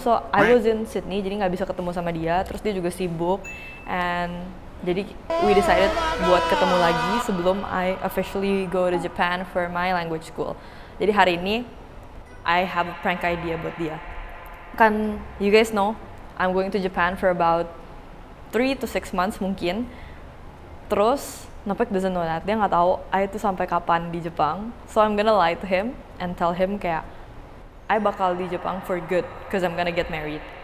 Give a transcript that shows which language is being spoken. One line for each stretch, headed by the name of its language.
English: So I was in Sydney,
Indonesian: jadi gak bisa ketemu sama dia. Terus dia juga sibuk
English: and jadi we decided
Indonesian: buat ketemu lagi sebelum
English: I officially go to Japan for my language school.
Indonesian: Jadi hari ini
English: I have a prank idea
Indonesian: buat dia.
English: Kan, you guys know, I'm going to Japan for about 3 to 6 months
Indonesian: mungkin. Terus,
English: Nopek doesn't know that.
Indonesian: Dia gak tahu I itu sampai kapan di Jepang.
English: So I'm gonna lie to him and tell him
Indonesian: kayak,
English: I
Indonesian: bakal di Jepang
English: for good, cause I'm gonna get married.